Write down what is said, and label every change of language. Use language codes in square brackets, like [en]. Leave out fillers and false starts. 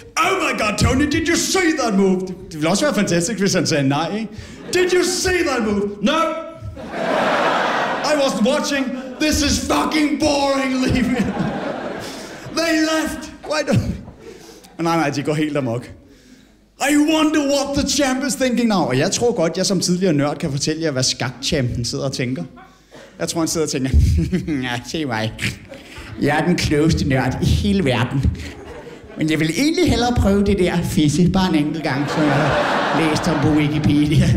[en] Oh my god, Tony, did you see that move? [da] Det ville også være fantastisk, hvis han sagde nej, ikke? [en] Did you see that move? No! I wasn't watching. This is fucking boring, leave me. They left. Why don't... [da] Men nej, de går helt amok. [en] I wonder what the champ is thinking now. [da] Og jeg tror godt, jeg som tidligere nørd kan fortælle jer, hvad skakchampen sidder og tænker. Jeg tror, han sidder og tænker, ja, se mig. Jeg er den klogeste nørd i hele verden. Men jeg vil egentlig hellere prøve det der fisse, bare en enkelt gang, så jeg har læst om på Wikipedia.